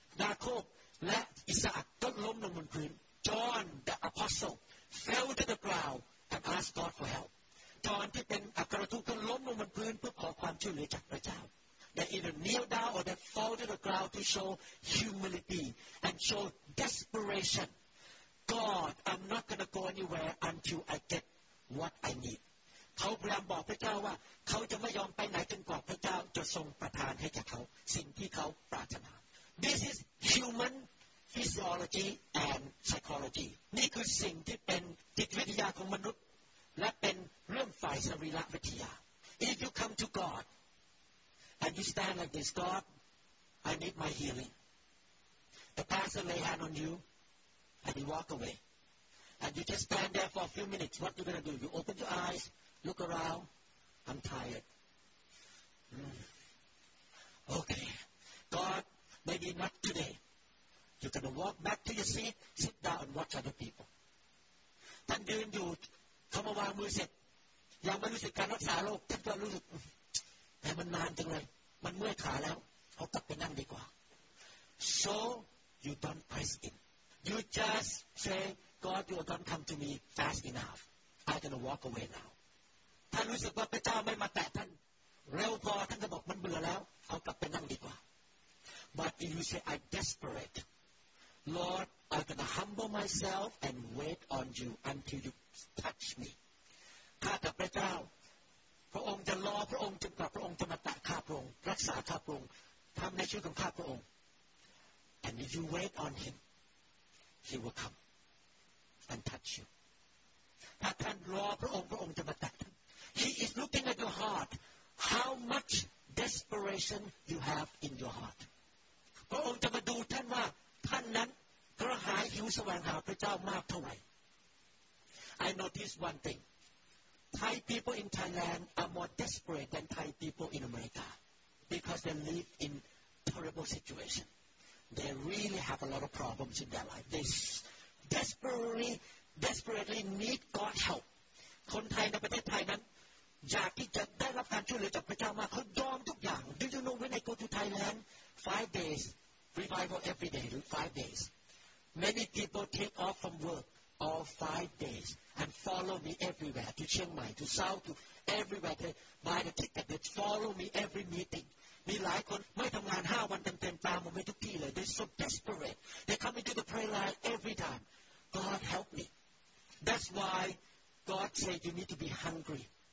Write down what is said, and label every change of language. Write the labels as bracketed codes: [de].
[en] Jacob [th] และ Isaac ก็ล้มลงบนพื้น [en] John, the apostle, fell to the ground and asked God for help. [th] John ที่เป็นอัครทูตก็ล้มลงบนพื้นเพื่อขอความช่วยเหลือจากพระเจ้า [en] They either kneel down or they fall to the ground to show humility and show desperation. God, I'm not going to go anywhere until I get what I need. [th] เขาพยายามบอกพระเจ้าว่าเขาจะไม่ยอมไปไหนจนกว่าพระเจ้าจะทรงประทานให้แก่เขาสิ่งที่เขาปรารถนา [en] This is human physiology and psychology [th] นี่คือสิ่งที่เป็นจิตวิทยาของมนุษย์และเป็นเรื่องฝ่ายสรีระวิทยา [en] If you come to God and you stand like this God I need my healing The pastor lay hand on you and you walk away and you just stand there for a few minutes What you gonna do? You open your eyesLook around. I'm tired. Okay. God, maybe not today. You're going to walk back to your seat, sit down and watch other people. [th] ท่านยืนอยู่เขามาวางมือเสร็จยังไม่รู้สึกการรักษาโรคท่านก็รู้สึกแต่มันนานจังเลยมันเมื่อยขาแล้วเอากลับไปนั่งดีกว่า [en] So you don't press in. You just say, God, you don't come to me fast enough. I'm going to walk away now. [th] ท่านรู้สึกว่าพระเจ้าไม่มาแตะท่านเร็วพอท่านจะบอกมันเบื่อแล้วเอากลับไปนั่งดีกว่า [en] But if you say I desperate Lord I'm gonna humble myself and wait on you until you touch me [th] ข้ากับพระเจ้าพระองค์จะรอพระองค์จนกว่าพระองค์จะมาแตะข้าพระองค์รักษาข้าพระองค์ทำในชื่อของข้าพระองค์ [en] And if you wait on him he will come and touch you [th] ถ้าท่านรอพระองค์พระองค์จะมาแตะ [en] He is looking at your heart. How much desperation you have in your heart. [th] พระองค์จะมาดูท่านว่าท่านนั้นกระหายหิวแสวงหาพระเจ้ามากเท่าไหร่ [en] I notice one thing. Thai people in Thailand are more desperate than Thai people in America because they live in terrible situation. They really have a lot of problems in their life. They desperately need God help. [th] คนไทยในประเทศไทยนั้นอยากที่จะได้รับการช่วยเหลือจากพระเจ้ามาเขายอมทุกอย่าง [en] Do you know when I go to Thailand 5 days revival every day 5 days many people take off from work all 5 days and follow me everywhere to Chiang Mai to South to everywhere they buy the ticket they follow me every meeting [th] มีหลายคนไม่ทำงาน5วันเต็มๆตามผมไปทุกที่เลย [en] they're so desperate they come into the prayer line every time God help me that's why God said you need to be hungry